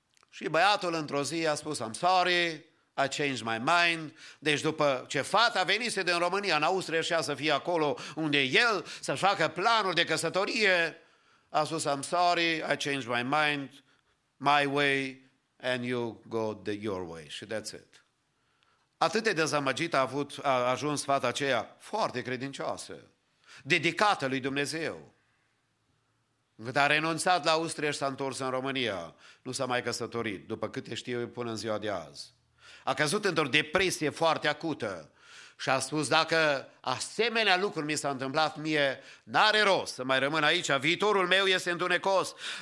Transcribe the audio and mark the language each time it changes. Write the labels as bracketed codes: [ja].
[ro] Și băiatul într-o zi a spus, [en] I'm sorry, I changed my mind. [ro] Deci după ce fata venise din România, în Austria, și ea să fie acolo unde el, să-și facă planul de căsătorie, a spus, [en] I'm sorry, I changed my mind. My way and you go your way. [ro] Și [en] that's it. [ro] Atât de dezamăgită a ajuns fata aceea, foarte credincioasă, dedicată lui Dumnezeu. Când a renunțat la Austria și s-a întors în România, nu s-a mai căsătorit, după câte știu eu până în ziua de azi. A căzut într-o depresie foarte acută și a spus, dacă asemenea lucruri mi s-a întâmplat mie, n-are rost să mai rămân aici, viitorul meu este întunecos.